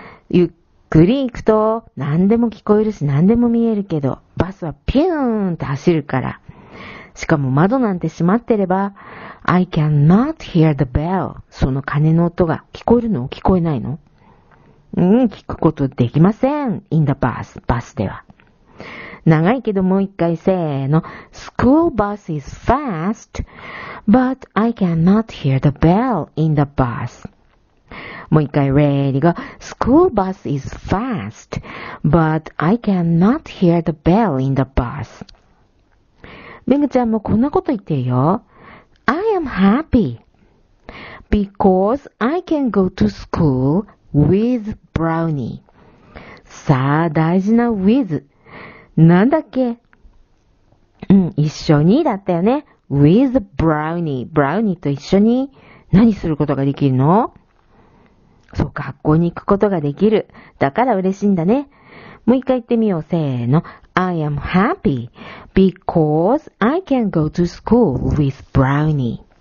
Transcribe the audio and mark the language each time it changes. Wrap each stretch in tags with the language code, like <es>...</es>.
<ja>ゆっくり行くと何でも聞こえるし何でも見えるけど、バスはピューンって走るから。しかも窓なんて閉まってれば、</ja> <en>I cannot hear the bell.</en> <ja>その鐘の音が聞こえるの？聞こえないの？聞くことできません。</ja> <en>in the bus,</en> <ja>バスでは。長いけどもう一回せーの。</ja> <en>School bus is fast, but I cannot hear the bell in the bus.</en> <ja>もう一回</ja> <en>ready go. School bus is fast, but I cannot hear the bell in the bus.</en> <ja>めぐちゃんもこんなこと言ってるよ。</ja> <en>I am happy because I can go to school with Brownie.</en> <ja>さあ大事な with。なんだっけ？一緒にだったよね。</ja> <en>with Brownie。</en> <ja>Brownie と一緒に何することができるの？そう、学校に行くことができる。だから嬉しいんだね。もう一回言ってみよう。せーの。</ja> <en>I am happy because I can go to school with Brownie.</en>